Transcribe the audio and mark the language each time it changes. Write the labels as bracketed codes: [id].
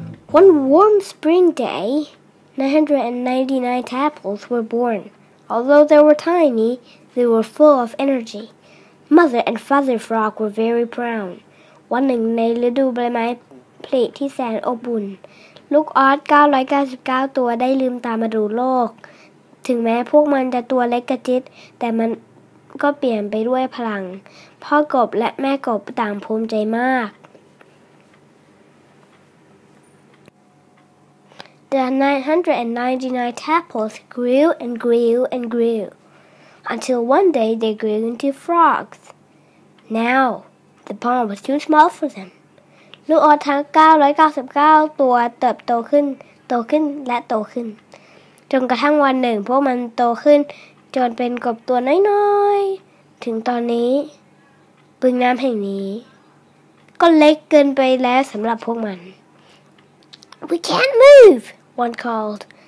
[en] One warm spring day, 999 Tadpoles were born. Although they were tiny, they were full of energy. Mother and Father Frog were very proud. [th] วันหนึ่งในฤดูใบไม้ผลิที่แสนอบอุ่นลูกออส999ตัวได้ลืมตามาดูโลกถึงแม้พวกมันจะตัวเล็กกระจิ๊ดแต่มันก็เปลี่ยนไปด้วยพลังพ่อกบและแม่กบต่างภูมิใจมาก [en] The 999 tadpoles grew and grew and grew until one day they grew into frogs. Now,The pond was too small for them. [th] ลูกออสทั้ง999ตัวเติบโตขึ้นโตขึ้นและโตขึ้นจนกระทั่งวันหนึ่งพวกมันโตขึ้นจนเป็นกบตัวน้อยๆถึงตอนนี้บึงน้ำแห่งนี้ก็เล็กเกินไปแล้วสำหรับพวกมัน [en] We can't move, one called.